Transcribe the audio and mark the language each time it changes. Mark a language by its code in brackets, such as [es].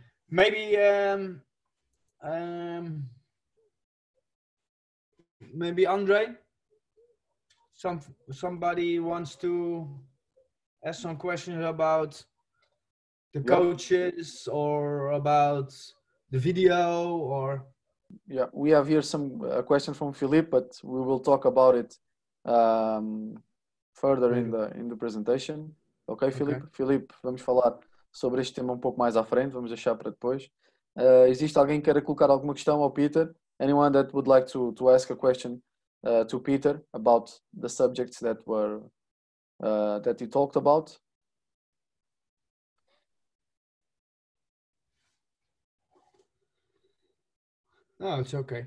[en] Maybe Andre, somebody wants to ask some questions about the coaches or about the video or... Yeah, we have here some question from Philippe, but we will talk about it further in the presentation. Okay, Philippe? Okay. [pt] Philippe, vamos falar sobre este tema um pouco mais à frente, vamos deixar para depois. Existe alguém que queira colocar alguma questão ao Peter? [en] Anyone that would like to ask a question to Peter about the subjects that were that he talked about? No, it's okay.